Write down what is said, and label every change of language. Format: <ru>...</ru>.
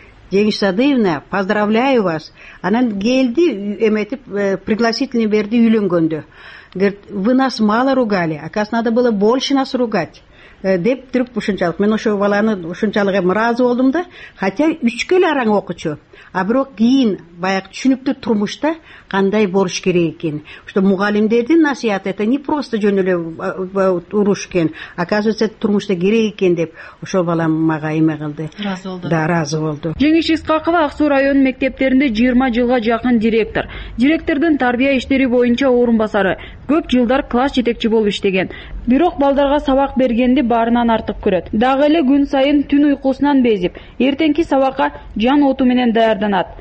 <ru>Жеңиш Садыевна, поздравляю вас.</ru> <ky>Анан келди, эметип пригласительный берди үйлөнгөндө.</ky> <ru>Говорит, вы нас мало ругали, оказывается, надо было больше нас ругать.</ru> <ky>Деп туруп ушунчалык. Мен ошо баланы ушунчалык эми ыраазы болдум да, хотя үчкө эле араң окуучу. А бирок кийин баягы түшүнүктү турмушта кандай болуш керек экен. Что мугалимдердин насыяты это не просто жөн эле уруш экен. Оказывается, турмушта керек экен деп ошол балам мага эме кылды. Ыраазы болду. Да, ыраазы болду. Жеңиш Искакова Аксуу районунун мектептеринде 20 жылга жакын директор. Директордун тарбия иштери боюнча орун басары. Көп жылдар класс жетекчи болуп иштеген. Бирок балдарга сабак бергенди баарынан артык көрөт. Дагы эле күн сайын түн уйкусунан безип, эртеңки сабакка жан оту менен даярданат.</ky>